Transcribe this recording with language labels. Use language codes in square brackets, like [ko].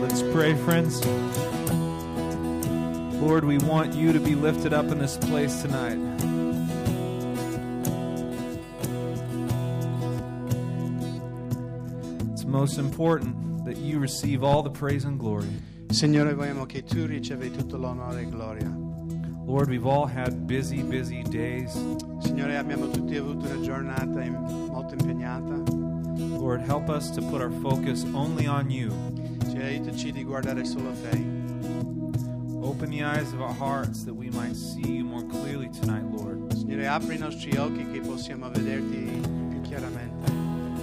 [en] Let's pray, friends. Lord, we want you to be lifted up in this place tonight. It's most important that you receive all the praise and glory. [it] Signore, vogliamo che tu ricevi tutto l'onore e gloria. [en] Lord, we've all had busy, busy days. [it] Signore, abbiamo tutti avuto una giornata molto impegnata. [en] Lord, help us to put our focus only on you. [it] Ci aiutaci di guardare solo te. [en] Open the eyes of our hearts that we might see you more clearly tonight, Lord. [it] Signore, apri I nostri occhi che possiamo vederti più chiaramente.